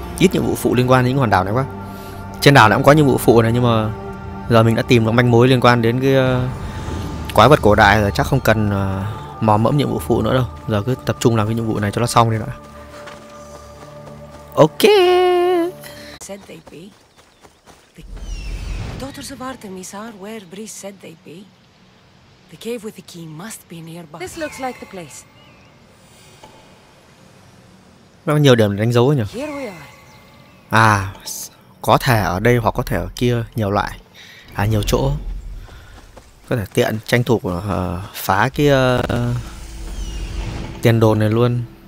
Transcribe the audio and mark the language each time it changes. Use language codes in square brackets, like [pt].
[vi] Ít nhiệm vụ phụ liên quan đến những hòn đảo này quá. Trên đảo này cũng có nhiệm vụ phụ này, nhưng mà giờ mình đã tìm được manh mối liên quan đến cái quái vật cổ đại rồi, chắc không cần mò mẫm nhiệm vụ phụ nữa đâu. Giờ cứ tập trung làm cái nhiệm vụ này cho nó xong đi đã. [en] Ok. Said they be. The daughters of Artemis are where Brice said they be. The cave with the key must be nearby. This looks like the place. [vi] Nó có nhiều điểm để đánh dấu nhỉ? [en] Here we are. [vi] À, có thể ở đây hoặc có thể ở kia, nhiều loại. À, nhiều chỗ. Có thể tiện tranh thủ phá cái tiền đồn này luôn.